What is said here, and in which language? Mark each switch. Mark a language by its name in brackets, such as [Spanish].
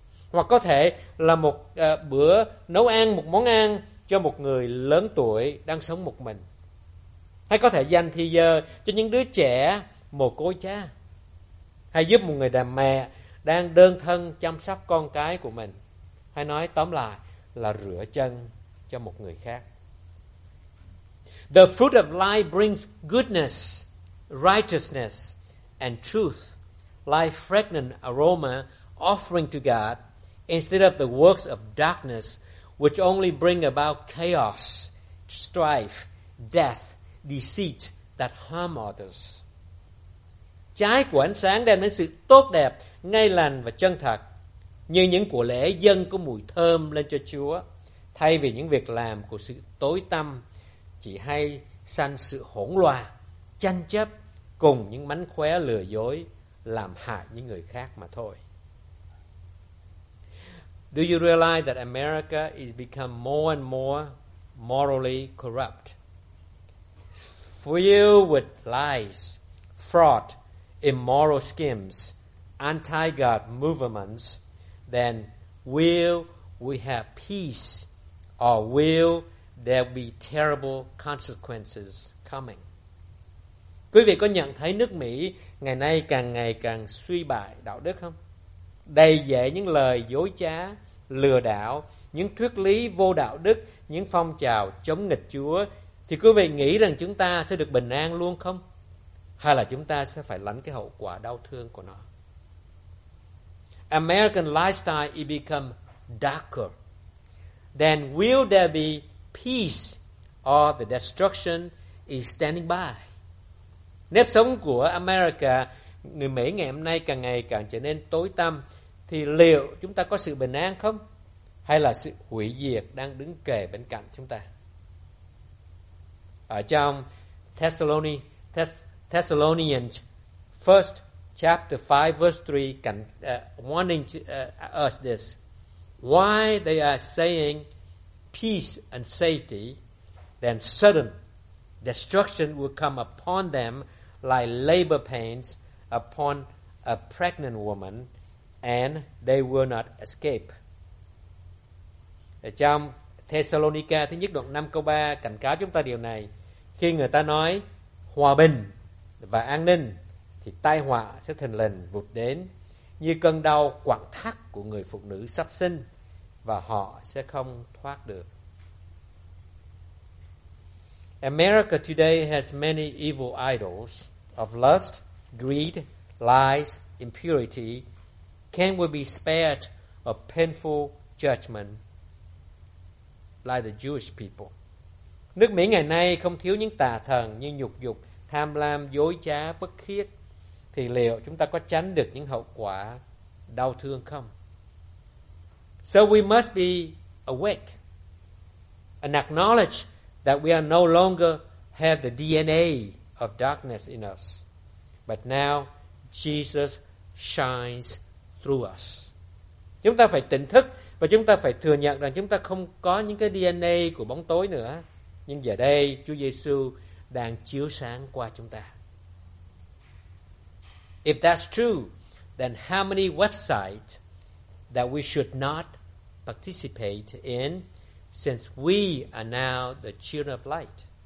[Vietnamese] Hoặc có thể là một bữa nấu ăn, một món ăn cho một người lớn tuổi đang sống một mình. Hay có thể dành thời giờ cho những đứa trẻ mồ côi cha. Hay giúp một người đàn mẹ đang đơn thân chăm sóc con cái của mình. Hay nói tóm lại là rửa chân cho một người khác. [English] The fruit of life brings goodness, righteousness, and truth. Like fragrant aroma offering to God, instead of the works of darkness, which only bring about chaos, strife, death, deceit that harm others. [Vietnamese] Trái của ánh sáng đem đến sự tốt đẹp, ngay lành và chân thật, như những của lễ dâng có mùi thơm lên cho Chúa, thay vì những việc làm của sự tối tăm, chỉ hay sanh sự hỗn loạn, tranh chấp cùng những mánh khóe lừa dối, làm hại những người khác mà thôi. [English] Do you realize that America is become more and more morally corrupt, filled with lies, fraud, immoral schemes, anti-God movements? Then will we have peace, or will there be terrible consequences coming? [Vietnamese] Quý vị có nhận thấy nước Mỹ ngày càng suy bại đạo đức không? Đầy dẫy những lời dối trá, lừa đảo, những thuyết lý vô đạo đức, những phong trào chống nghịch Chúa, thì quý vị nghĩ rằng chúng ta sẽ được bình an luôn không? Hay là chúng ta sẽ phải lãnh cái hậu quả đau thương của nó? [English] American lifestyle it become darker. Then will there be peace or the destruction is standing by? [Vietnamese] Nếp sống của America, người Mỹ ngày hôm nay càng ngày càng trở nên tối tăm, thì liệu chúng ta có sự bình an không? Hay là sự hủy diệt đang đứng kề bên cạnh chúng ta? Ở trong [English] Thessalonians first chapter 5 verse 3 warning us this. Why they are saying peace and safety, then sudden destruction will come upon them like labor pains upon a pregnant woman, and they will not escape. [Vietnamese] Ở trong Thessalonica thứ nhất đoạn 5 câu 3 cảnh cáo chúng ta điều này: khi người ta nói hòa bình và an ninh thì tai họa sẽ thình lình vụt đến như cơn đau quặn thắt của người phụ nữ sắp sinh, và họ sẽ không thoát được. [English] America today has many evil idols of lust, greed, lies, impurity. Can we be spared a painful judgment like the Jewish people? [Vietnamese] Nước Mỹ ngày nay không thiếu những tà thần như nhục dục, tham lam, dối trá, bất khiết. Thì liệu chúng ta có tránh được những hậu quả đau thương không? [English] So we must be awake and acknowledge that we are no longer have the DNA of darkness in us, but now Jesus shines through us. [Vietnamese] Chúng ta phải tỉnh thức và chúng ta phải thừa nhận rằng chúng ta không có những cái DNA của bóng tối nữa, nhưng giờ đây Chúa Giêsu đang chiếu sáng qua chúng ta. [English] If that's true, then how many websites that we should not participate in, since we are now the children of light?